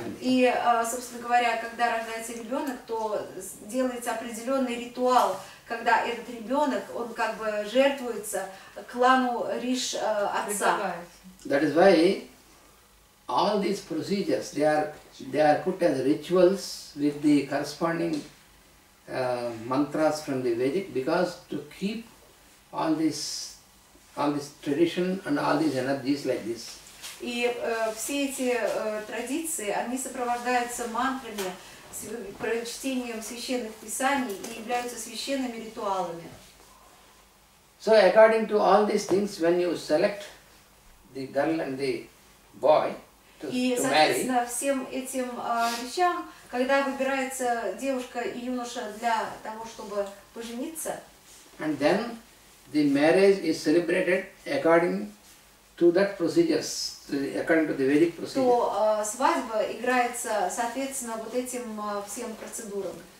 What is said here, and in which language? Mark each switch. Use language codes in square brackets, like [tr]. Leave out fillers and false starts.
[ru] И, собственно говоря, когда рождается ребенок, то делается определенный ритуал, когда этот ребенок, он как бы жертвуется клану риш отца. [en] That is why all these procedures they are put as rituals with the corresponding mantras from the Vedic because to keep all this tradition and all these energies like this. [ru] И все эти традиции, они сопровождаются мантрами, прочтением священных писаний и являются священными ритуалами. [en] So according to all these things, when you select the girl and the boy to marry. [ru] И соответственно всем этим вещам, когда выбирается девушка и юноша для того, чтобы пожениться. [en] And then the marriage is celebrated according to that procedures. According to the Vedic procedure. [ru] То свадьба играется соответственно вот этим всем процедурам.